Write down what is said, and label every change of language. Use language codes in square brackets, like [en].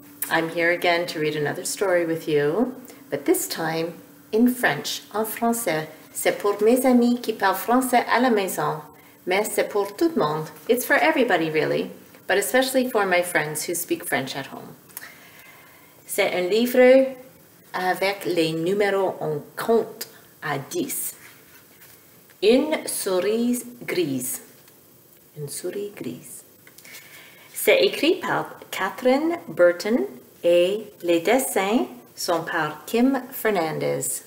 [en] I'm here again to read another story with you, but this time in French, [fr] en français. C'est pour mes amis qui parlent français à la maison, mais c'est pour tout le monde. [en] It's for everybody, really, but especially for my friends who speak French at home. [fr] C'est un livre avec les numéros en compte à 10. Une souris grise. Une souris grise. C'est écrit par Katherine Burton et les dessins sont par Kim Fernandes.